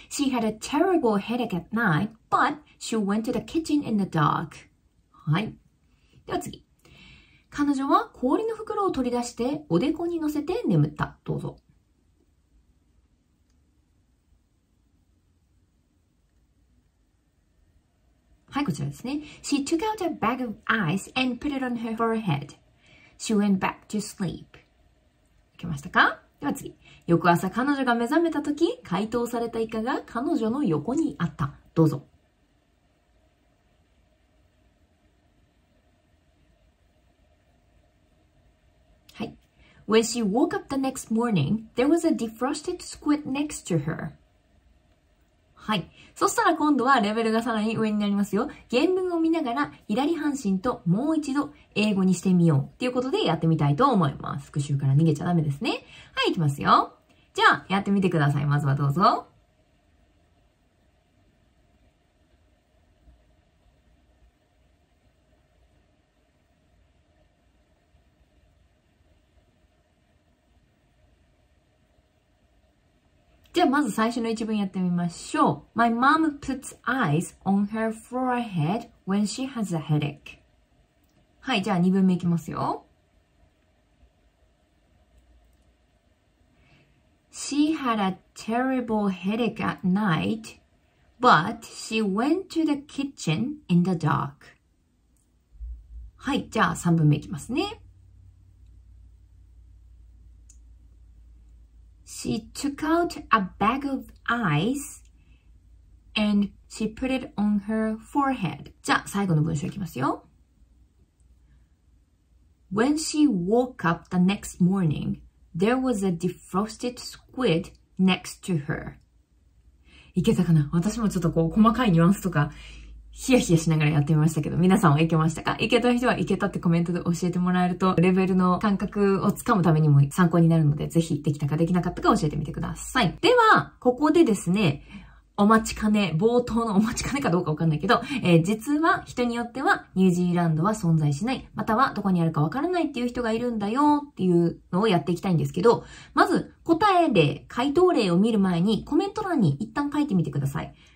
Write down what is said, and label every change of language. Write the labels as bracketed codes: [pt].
[en] She had a terrible headache at night, but she went to the kitchen in the dark。 [ja] はい、では次、彼女は氷の袋を取り出しておでこに乗せて眠った。どうぞ。はい、こちらですね。 [en] She took out a bag of ice and put it on her forehead. She went back to sleep. [ja] 行けましたか？では次、翌朝彼女が目覚めた時、解凍されたイカが彼女の横にあった。どうぞ。 [en] When she woke up the next morning, there was a defrosted squid next to her. [ja] はい。そしたら今度はレベルがさらに上になりますよ。原文を見ながら左半身ともう一度英語にしてみようっていうことでやってみたいと思います。復習から逃げちゃダメですね。はい、行きますよ。じゃあ、やってみてください。まずはどうぞ。じゃあまず最初の一文やってみましょう。 [en] My mom puts ice on her forehead when she has a headache。 [ja] はい、じゃあ二文目いきますよ。 [en] She had a terrible headache at night, but she went to the kitchen in the dark。 [ja] はい、じゃあ三文目いきますね。 [en] She took out a bag of ice and she put it on her forehead. [ja] じゃあ最後の文章いきますよ。 [en] When she woke up the next morning, there was a defrosted squid next to her. [ja] いけたかな？私もちょっとこう細かいニュアンスとかヒヤヒヤしながらやってみましたけど、皆さんはいけましたか？いけた人はいけたってコメントで教えてもらえると、レベルの感覚をつかむためにも参考になるので、ぜひできたかできなかったか教えてみてください。では、ここでですね、お待ちかね、冒頭のお待ちかねかどうかわかんないけど、実は人によってはニュージーランドは存在しない、またはどこにあるかわからないっていう人がいるんだよっていうのをやっていきたいんですけど、まず答え例、回答例を見る前にコメント欄に一旦書いてみてください。